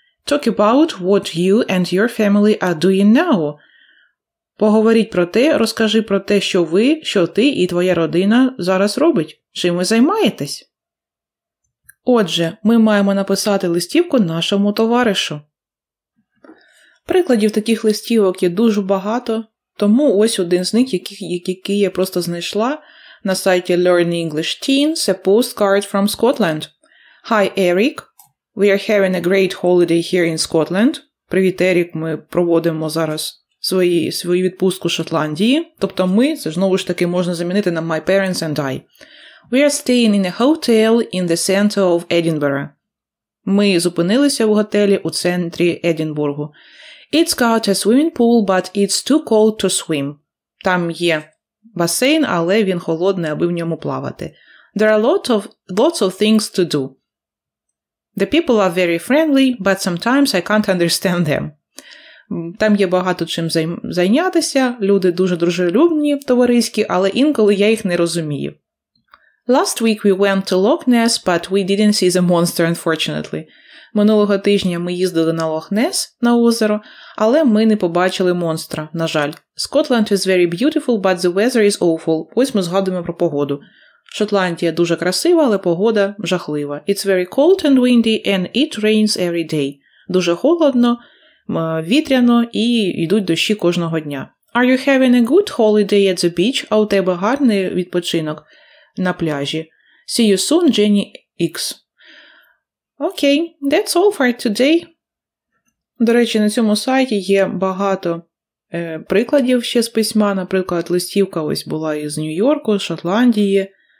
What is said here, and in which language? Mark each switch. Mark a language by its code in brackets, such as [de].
[en] Talk about what you and your family are doing now. [uk] Поговоріть про те, розкажи про те, що ви, що ти і твоя родина зараз робить. Чим ви займаєтесь? Отже, ми маємо написати листівку нашому товаришу. Прикладів таких листівок є дуже багато, тому ось один з них, який я просто знайшла на сайті Learn English Teens, [en] a postcard from Scotland. Hi, Eric. We are having a great holiday here in Scotland. [uk] Привіт, Ерік, ми проводимо зараз свою відпустку в Шотландії. Тобто ми, це знову ж таки можна замінити на [en] my parents and I. We are staying in a hotel in the center of Edinburgh. [uk] Ми зупинилися в готелі у центрі Единбургу. [en] It's got a swimming pool, but it's too cold to swim. [uk] Там є басейн, але він холодний, аби в ньому плавати. [en] There are lots of things to do. The people are very friendly, but sometimes I can't understand them. [uk] Там є багато чим зайнятися, люди дуже дружелюбні, товариські, але інколи я їх не розумію. [en] Last week we went to Loch Ness, but we didn't see the monster, unfortunately. [uk] Минулого тижня ми їздили на Loch Ness, на озеро, але ми не побачили монстра, на жаль. [en] Scotland is very beautiful, but the weather is awful. [uk] Ось ми згадуємо про погоду. Шотландія дуже красива, але погода жахлива. [en] It's very cold and windy, and it rains every day. [uk] Дуже холодно, вітряно, і йдуть дощі кожного дня. [en] Are you having a good holiday at the beach? [uk] А у тебе гарний відпочинок на пляжі? [en] See you soon, Jenny X. Okay, that's all for today. [uk] До речі, на цьому сайті є багато прикладів ще з письма. Наприклад, листівка ось була із Нью-Йорку, з Шотландії.